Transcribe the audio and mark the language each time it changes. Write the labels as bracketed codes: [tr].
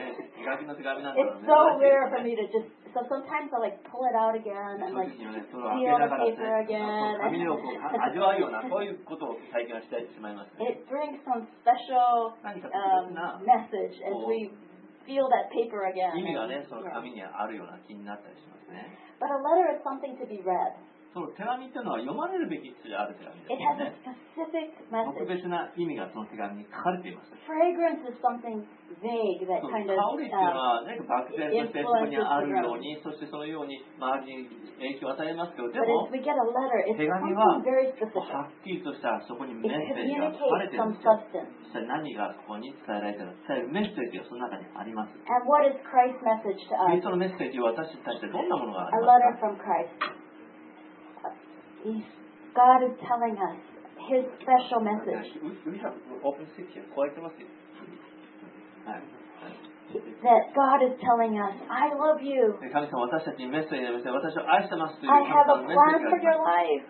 [en] It's so rare for me to just, so sometimes I like pull it out again and like feel the paper again. It brings some special message as we feel that paper again. But a letter is something to be read. [ja] その手紙というのは読まれるべき必要がある手紙ですよね。特別な意味がその手紙に書かれています。 [en] Fragrance is something vague that kind of, [ja] 香りというのは、ね、漠然としてそこにあるように、influences、そしてそのように周りに影響を与えますけど、でも [en] But if we get a letter, it's [ja] 手紙は [en] very specific. [ja] はっきりとしたそこにメッセージが書かれているんですよ。そして何がそこに伝えられているのか、伝えるメッセージがその中にあります。 [en] And what is Christ's message to us? [ja] キリストのメッセージは私たちに対してどんなものがありますか? [en] A letter from Christ. God is telling us His special message. We have open six here. Quite a few. That God is telling us, I love you. I have a plan for your life.